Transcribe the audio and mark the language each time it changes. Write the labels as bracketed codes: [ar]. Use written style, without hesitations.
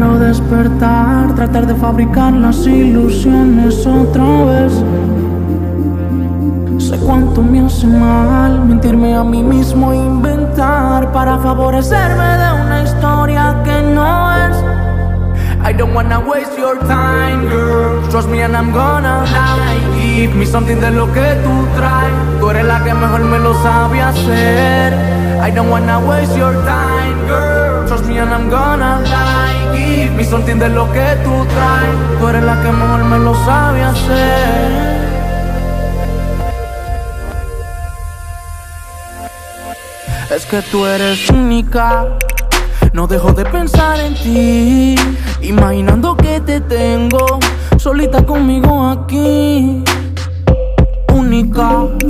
[es] despertar, tratar de fabricar las ilusiones otra vez. Sé cuánto me hace mal mentirme a mí mismo e inventar para favorecerme de una historia que no es. [en] I don't wanna waste your time, girl. Trust me and I'm gonna die. Give me something [es] de lo que tú traes. Tú eres la que mejor me lo sabe hacer. [en] I don't wanna waste your time, girl. Trust me and I'm gonna die. Give me something [es] de lo que tú traes. Tú eres la que mejor me lo sabe hacer. Es que tú eres única. No dejo de pensar en ti, imaginando que te tengo solita conmigo aquí. Única.